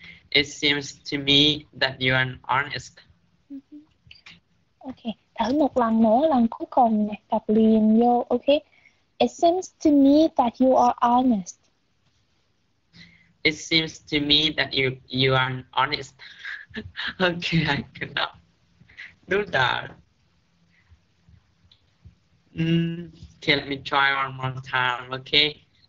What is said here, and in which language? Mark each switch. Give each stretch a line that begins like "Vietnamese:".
English: It seems to me that you are honest.
Vietnamese: Okay. Thử một lần nữa, lần cuối cùng này, đọc liền vô, ok?
English: It seems to me that you are honest. It seems to me that you are honest. Okay, I cannot do that. Okay, let me try one more time, okay?